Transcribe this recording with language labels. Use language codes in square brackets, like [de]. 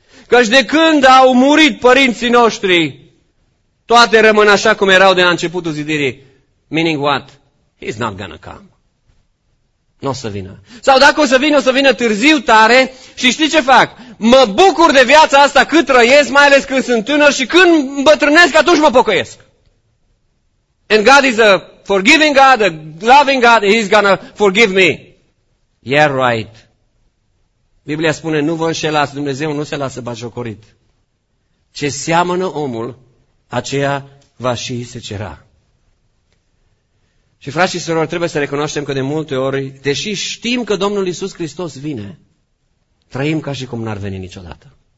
[ro] Căci de când au murit părinții noștri, toate rămân așa cum erau de la începutul zidirii. [en] Meaning what? He's not gonna come. [ro] Nu o să vină. Sau dacă o să vină, o să vină târziu tare și știi ce fac? Mă bucur de viața asta cât trăiesc, mai ales când sunt tânăr și când îmbătrânesc, atunci mă pocăiesc. [en] And God is a forgiving God, a loving God, and he's gonna forgive me. Yeah, right. [ro] Biblia spune, nu vă înșelați, Dumnezeu nu se lasă batjocorit. Ce seamănă omul, aceea va și se cera. Și frați și surori, trebuie să recunoaștem că de multe ori, deși știm că Domnul Iisus Hristos vine, trăim ca și cum n-ar veni niciodată.